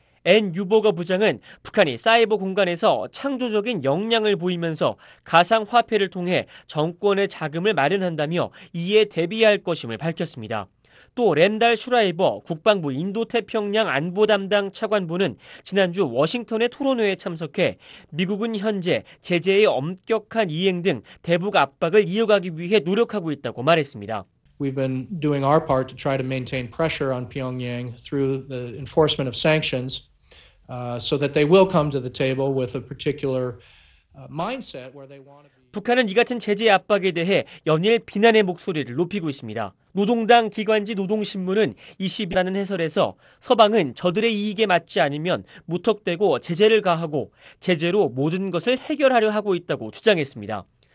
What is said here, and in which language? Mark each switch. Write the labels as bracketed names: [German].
[Korean] 앤 유버거 부장은 북한이 사이버 공간에서 창조적인 역량을 보이면서 가상화폐를 통해 정권의 자금을 마련한다며 이에 대비할 것임을 밝혔습니다. 또 랜달 슈라이버 국방부 인도태평양 안보 담당 차관보는 지난주 워싱턴의 토론회에 참석해 미국은 현재 제재의 엄격한 이행 등 대북 압박을 이어가기 위해 노력하고 있다고 말했습니다. [English] We've been doing our part to try to maintain pressure on Pyongyang through the enforcement of sanctions so that they will come to the table with a particular mindset where they want to be. [Korean] 북한은 이 같은 제재 압박에 대해 연일 비난의 목소리를 높이고 있습니다. 노동당 기관지 노동신문은 20이라는 해설에서 서방은 저들의 이익에 맞지 않으면 무턱대고 제재를 가하고 제재로 모든 것을 해결하려 하고 있다고 주장했습니다.